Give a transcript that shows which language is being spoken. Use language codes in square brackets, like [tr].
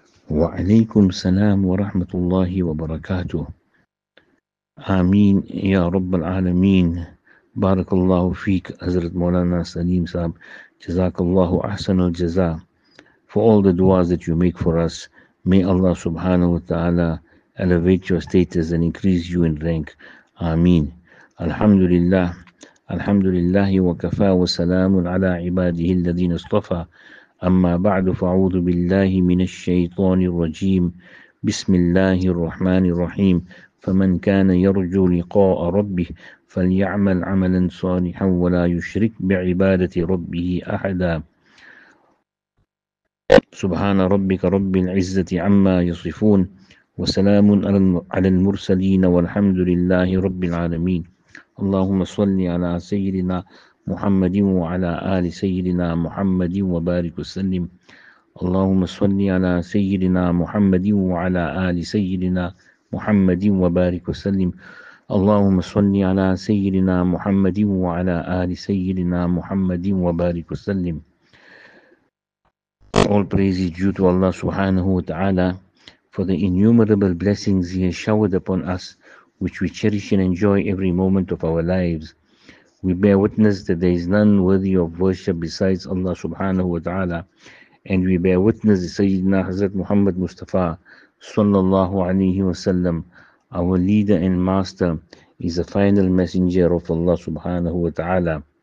[ar] وعليكم السلام ورحمة الله وبركاته. آمين يا رب العالمين. بارك الله فيك حضرت مولانا سليم صاحب، جزاك الله أحسن الجزاء [en] for all the duas that you make for us. May Allah subhanahu wa ta'ala elevate your status and increase you in rank. [ar] Ameen. Alhamdulillah. Alhamdulillah wa kafa wa salamun ala ibadihi alladhina astafa. Amma ba'du fa'udhu billahi minash shaytanir rajim. Bismillahir Rahmanir Rahim. فمن كان يرجو لقاء ربه فليعمل عملا صالحا ولا يشرك بعبادة ربه أحدا. سبحان ربك رب العزة عما يصفون وسلام على المرسلين والحمد لله رب العالمين. اللهم صل على سيدنا محمد وعلى آل سيدنا محمد وبارك وسلم. اللهم صل على سيدنا محمد وعلى آل سيدنا محمد وبارك وسلم. اللهم صل على سيدنا محمد وعلى آل سيدنا محمد وبارك وسلم. [en] All praise is due to Allah subhanahu wa ta'ala for the innumerable blessings He has showered upon us, which we cherish and enjoy every moment of our lives. We bear witness that there is none worthy of worship besides Allah subhanahu wa ta'ala, and we bear witness that Sayyidina Hazrat Muhammad Mustafa sallallahu alayhi wa sallam, our leader and master, is the final messenger of Allah subhanahu wa ta'ala.